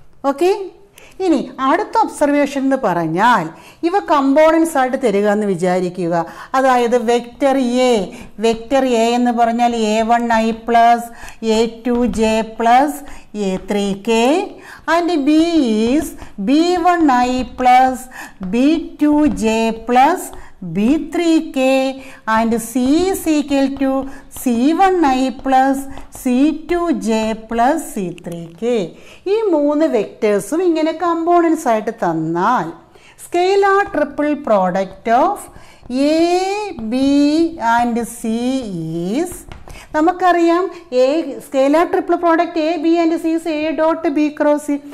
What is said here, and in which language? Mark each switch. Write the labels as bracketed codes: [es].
[ml] Okay ഇനി അടുത്ത observation എന്ന് പറഞ്ഞാൽ ഇവ കമ്പോണൻസ് ആയിട്ട് തരിക എന്ന് വിചാരിക്കുക അതായത് വെക്റ്റർ എ എന്ന് പറഞ്ഞാൽ [en] A one i plus A two j plus [ml] A three K and B is B one I plus B to J plus [en] B3K and C is equal to C1I plus C2J plus C3K. [ml] ഈ മൂന്ന് വെക്ടേഴ്സും ഇങ്ങനെ components ആയിട്ട് തന്നാൽ [en] scalar triple product of A, B and C is [ml] നമുക്കറിയാം [en] A scalar triple product A B and C is A dot B cross C.